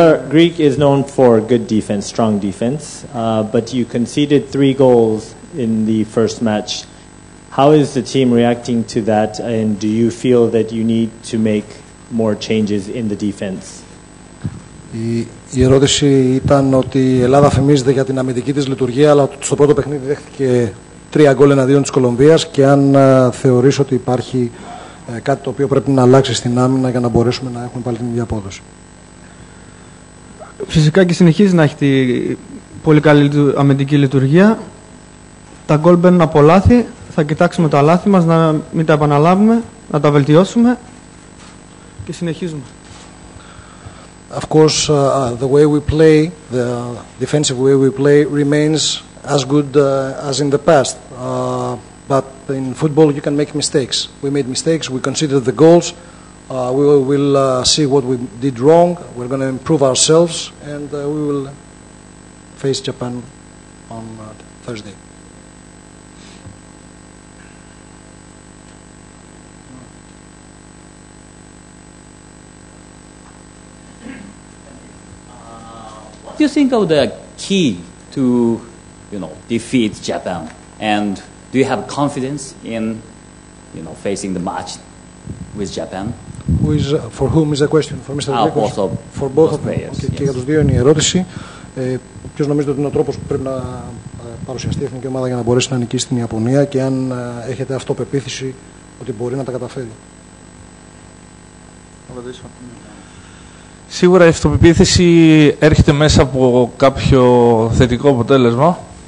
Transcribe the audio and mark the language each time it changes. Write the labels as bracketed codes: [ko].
[en] Greek is known for good defense, strong defense, but you conceded 3 goals in the first match. How is the team reacting to that, and do you feel that you need to make more changes in the defense? [el] Η ερώτηση ήταν ότι η Ελλάδα φημίζεται για την αμυντική της λειτουργία, αλλά στο πρώτο παιχνίδι δέχτηκε 3 γκολ εναντίον της Κολομβίας και αν θεωρείς ότι υπάρχει κάτι το οποίο πρέπει να αλλάξει στην άμυνα για να μπορέσουμε να έχουμε πάλι την ίδια απόδοση. Φυσικά και συνεχίζει να έχει τη πολύ καλή αμυντική λειτουργία. Τα γκολ μπαίνουν από λάθη. Θα κοιτάξουμε τα λάθη μας, να μην τα επαναλάβουμε, να τα βελτιώσουμε και συνεχίζουμε. [en] Of course, the way we play, the defensive way we play remains as good as in the past. But in football you can make mistakes. We made mistakes, we considered the goals. We will see what we did wrong. We're going to improve ourselves and we will face Japan on Thursday. What do you think of the key to, you know, defeat Japan? And do you have confidence in, you know, facing the match with Japan? Who is, for whom is the question? For Mr. Glikos? For both players. Okay. Yes. [el] Και για τους δύο είναι η ερώτηση. Ποιος νομίζετε ότι είναι ο τρόπος που πρέπει να παρουσιαστεί η εθνική ομάδα για να μπορέσει να νικήσει την Ιαπωνία και αν έχετε αυτοπεποίθηση ότι μπορεί να τα καταφέρει. Σίγουρα η αυτοπεποίθηση έρχεται μέσα από κάποιο θετικό αποτέλεσμα.